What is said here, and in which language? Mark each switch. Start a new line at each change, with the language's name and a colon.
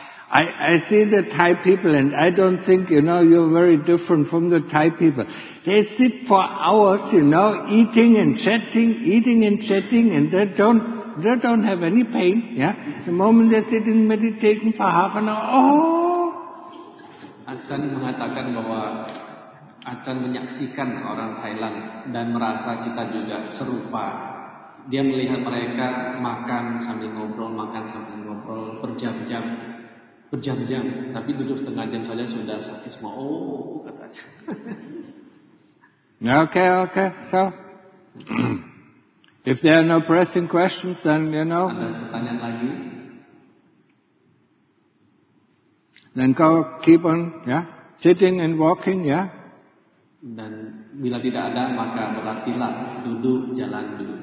English: I see the Thai people and I don't think, you know, you're very different from the Thai people. They sit for hours, you know, eating and chatting and they don't have any pain, yeah? The moment they sit in meditation for half an hour, oh!
Indonesian: Achan mengatakan bahwa Achan menyaksikan orang Thailand dan merasa kita juga serupa. Dia melihat mereka makan sambil ngobrol berjam-jam. Berjam-jam, tapi duduk setengah jam saja sudah sakit semua. Oh, kata aja.
English: Okay. So, if there are no pressing questions, then you know.
Indonesian: Ada pertanyaan lagi?
English: Then go keep on, yeah, sitting and walking, yeah.
Indonesian: Dan bila tidak ada, maka berlatihlah duduk jalan.